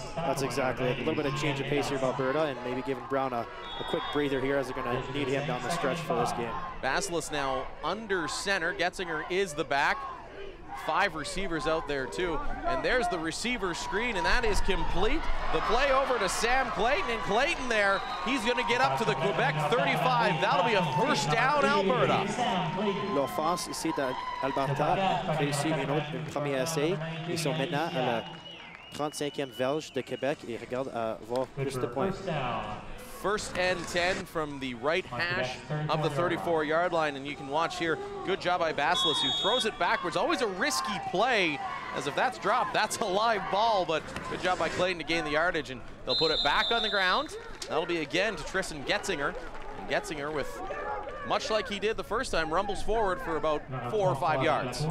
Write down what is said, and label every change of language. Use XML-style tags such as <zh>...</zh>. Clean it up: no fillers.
<en>That's exactly it. A little bit of change of pace here in Alberta, and maybe giving Brown a quick breather here as they're going to need him down the stretch for this game. Vasilis now under center. Getzinger is the back. Five receivers out there too, and there's the receiver screen, and that is complete. The play over to Sam Clayton, and Clayton there, he's going to get up to the Quebec 35. That'll be a first down, Alberta.</en> <fr>L'offense ici d'Alberta réussit une autre première essai. Ils sont maintenant à la 35e verge de Québec et regarde à voir plus de points.</fr> <en>First and 10 from the right hash of the 34-yard line. And you can watch here, good job by Vasilis, who throws it backwards. Always a risky play, as if that's dropped, that's a live ball. But good job by Clayton to gain the yardage. And they'll put it back on the ground. That'll be again to Tristan Getzinger. And Getzinger, with much like he did the first time, rumbles forward for about 4 or 5 yards.</en>